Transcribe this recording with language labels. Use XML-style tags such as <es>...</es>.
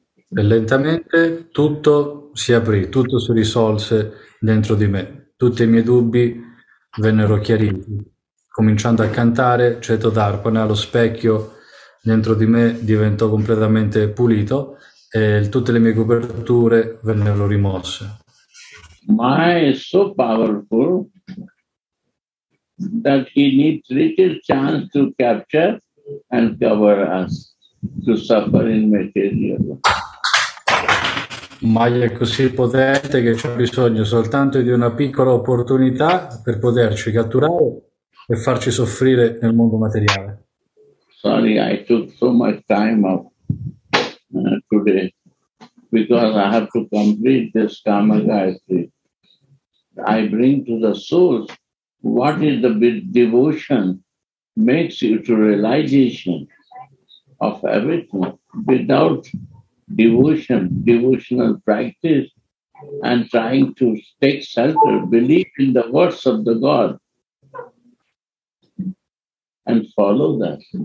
<it>E lentamente tutto si aprì, tutto si risolse dentro di me. Tutti i miei dubbi vennero chiariti. Cominciando a cantare, Chetu Darpana, allo specchio dentro di me diventò completamente pulito e tutte le mie coperture vennero rimosse.</it> <en>Ma è so powerful that he needs little chance to capture and cover us to suffer in material.</en> <it>Maya è così potente che c'è bisogno soltanto di una piccola opportunità per poterci catturare e farci soffrire nel mondo materiale.</it> <en>Sorry, I took so much time of today because I have to complete this Kamagayatri. I bring to the soul. What is the devotion makes you to realization of everything without devotion, devotional practice, and trying to take shelter, believe in the words of the God and follow that.</en>